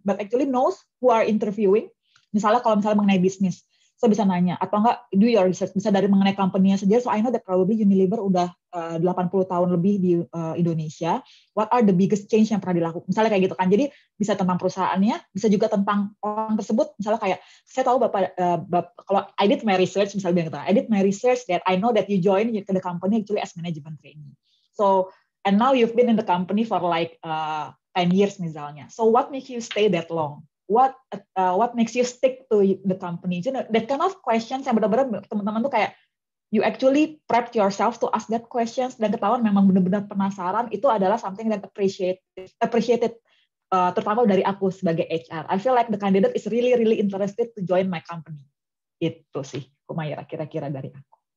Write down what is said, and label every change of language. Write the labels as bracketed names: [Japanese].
[English] But actually knows who are interviewing. [Indonesian] Misalnya kalau misalnya mengenai bisnis, so bisa nanya. Atau enggak, [English] do your research. [Indonesian] Bisa dari mengenai company-nya sendiri, [English] so I know that probably [Indonesian] Unilever udah 80 tahun lebih di Indonesia. [English] What are the biggest change [Indonesian] yang pernah dilakukan? Misalnya kayak gitu kan. Jadi bisa tentang perusahaannya, bisa juga tentang orang tersebut. Misalnya kayak, saya tahu Bapak, kalau [English] I did my research, [Indonesian] misalnya bilang gitu, [English] I did my research that I know that you join ke the company actually as management trainee. So, and now you've been in the company for like 10 years [Indonesian] misalnya. [English] So what makes you stay that long? What makes you stick to the company? You know, that kind of questions [Indonesian] yang benar-benar teman-teman tuh kayak [English] you actually prep yourself to ask that questions [Indonesian] dan ketahuan memang benar-benar penasaran, itu adalah [English] something that appreciated [Indonesian] terutama dari aku sebagai HR. [English] I feel like the candidate is really really interested to join my company. [Indonesian] Itu sih Kumaira kira-kira dari aku.